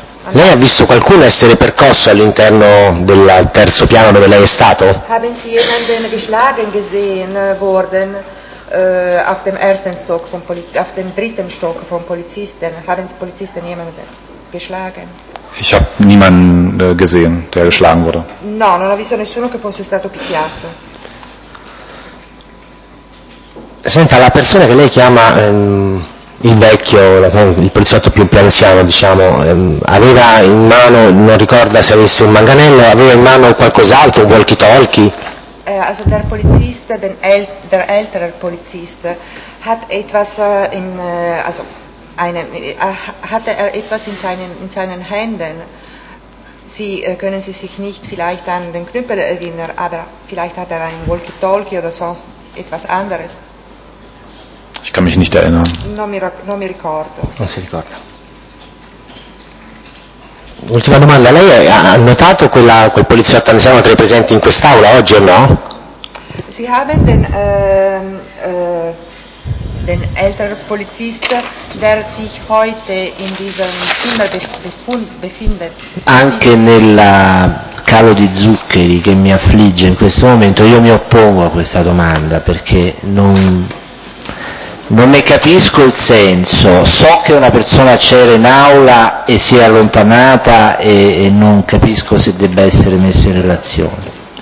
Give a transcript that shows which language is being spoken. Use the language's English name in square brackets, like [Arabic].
[Italian] Lei ha visto qualcuno essere percosso all'interno del terzo piano dove lei è stato? [German] Haben Sie jemanden geschlagen gesehen worden auf dem ersten Stock vom auf dem dritten Stock vom Polizisten? Haben die Polizisten jemanden geschlagen? Ich habe niemanden gesehen, der geschlagen wurde. [Italian] No, non ho visto nessuno che fosse stato picchiato. Senta, la persona che lei chiama il vecchio, il poliziotto più anziano, diciamo, aveva in mano, non ricorda se avesse un manganello, aveva in mano qualcos'altro, un walkie-talkie? [German] Also der Polizist, der ältere Polizist, hat etwas in, also einen, hatte er etwas in seinen Händen? Sie können sie sich nicht vielleicht an den Knüppel erinnern, aber vielleicht hat er ein walkie-talkie oder sonst etwas anderes. Ich kann mich nicht erinnern. [Italian] Non mi ricordo. Non si ricorda. Ultima domanda, lei ha notato quel poliziotto anziano tra i presenti in quest'aula oggi o no? [German] Sie haben den älteren Polizist, der sich heute in diesem Zimmer befindet. [Italian] Anche nel calo di zuccheri che mi affligge in questo momento, io mi oppongo a questa domanda perché non ne capisco il senso. So che una persona c'era in aula e si è allontanata e non capisco se debba essere messo in relazione.